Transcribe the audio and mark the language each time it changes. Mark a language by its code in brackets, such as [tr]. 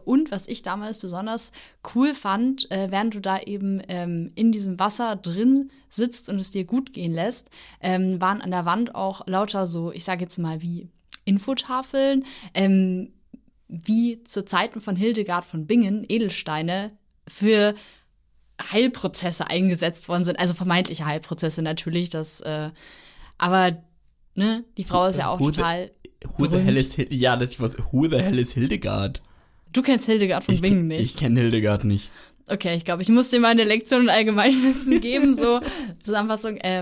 [de] Und was ich damals besonders cool fand, während du da eben in diesem Wasser drin sitzt und es dir gut gehen lässt, waren an der Wand auch lauter so, ich sage jetzt mal, wie Infotafeln, wie zu Zeiten von Hildegard von Bingen Edelsteine für Heilprozesse eingesetzt worden sind. Also vermeintliche Heilprozesse natürlich. Die Frau ist ja auch total [en] Who the hell is Hildegard? [de] Du kennst Hildegard von Bingen nicht. Ich kenne Hildegard nicht. Okay, ich glaube, ich muss dir meine Lektion und Allgemeinwissen geben. So, Zusammenfassung.